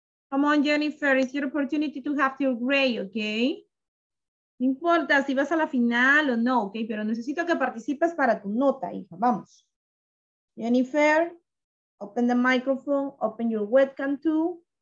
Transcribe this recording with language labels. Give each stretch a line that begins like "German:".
English: Come on, Jennifer, it's your opportunity to have your grade, okay?
Spanish: No importa si vas a la final o no, okay? Pero necesito que participes para tu nota, hija, vamos.
English: Jennifer, open the microphone, open your webcam too.